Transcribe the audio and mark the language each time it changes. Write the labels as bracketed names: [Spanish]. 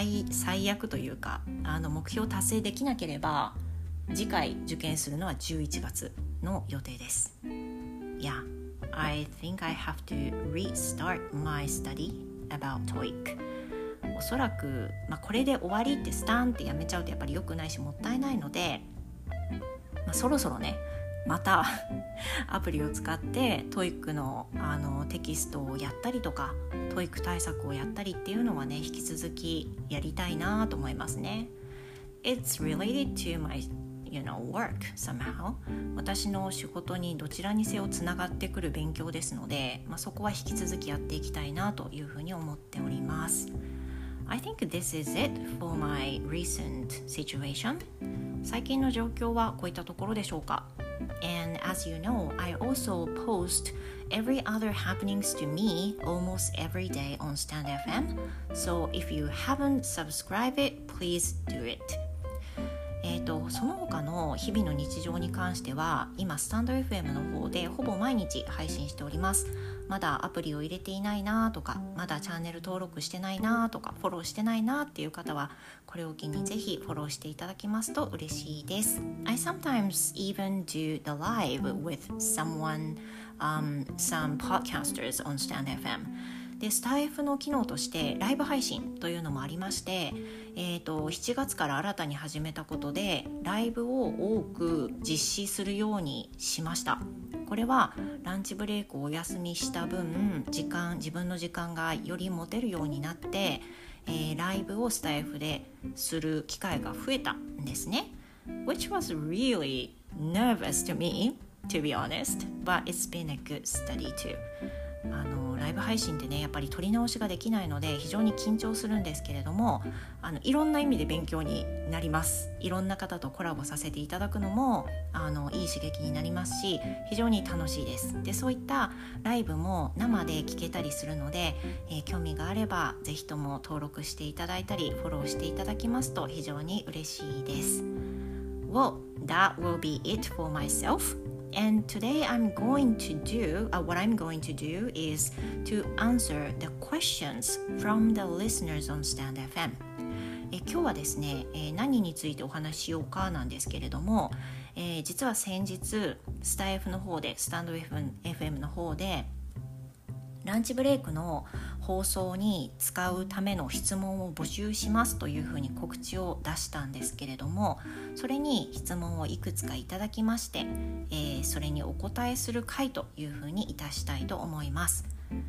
[Japanese] 最悪というか、目標達成できなければ次回受験するのは11月の予定です。 [English] Yeah, I think I have to restart my study about TOEIC. [Japanese] おそらく、これで終わりってスタンってやめちゃうとやっぱり良くないし、もったいないので、そろそろね、またアプリを使って TOEIC の、テキストをやったりとか、 TOEIC 対策をやったりっていうのはね、引き続きやりたいなと思いますね。 [English] It's related to my, you know, work somehow. [Japanese] 私の仕事にどちらにせよつながってくる勉強ですので、そこは引き続きやっていきたいなというふうに思っております。 [English] I think this is it for my recent situation. [Japanese] 最近の状況はこういったところでしょうか。 [English] And as you know, I also post every other happenings to me almost every day on Stand FM. So if you haven't subscribed it, please do it. [Japanese] その他の日々の日常に関しては、今 Stand FM の方でほぼ毎日配信しております。まだアプリを入れていないなとか、まだチャンネル登録してないなとか、フォローしてないなっていう方は、これを機にぜひフォローしていただきますと嬉しいです。 [English] I sometimes even do the live with someone, some podcasters on Stand FM. [Japanese] で、スタイフの機能としてライブ配信というのもありまして、7月から新たに始めたことで、ライブを多く実施するようにしました。これはランチブレイクをお休みした分、自分の時間がより持てるようになって、ライブをスタイフでする機会が増えたんですね。 [English] Which was really nervous to me, to be honest, but it's been a good study too. [Japanese] ライブ配信ってね、やっぱり撮り直しができないので非常に緊張するんですけれども、いろんな意味で勉強になります。いろんな方とコラボさせていただくのもいい刺激になりますし、非常に楽しいです。で、そういったライブも生で聞けたりするので、興味があればぜひとも登録していただいたりフォローしていただきますと非常に嬉しいです。 [English] Well, that will be it for myselfAnd today what I'm going to do is to answer the questions from the listeners on Stand FM. [Japanese] 今日はですね、何についてお話ししようかなんですけれども、実は先日、スタイフの方で、スタンド FM の方で、ランチブレイクの放送に使うための質問を募集しますというふうに告知を出したんですけれども、それに質問をいくつかいただきまして、それにお答えする回というふうにいたしたいと思います。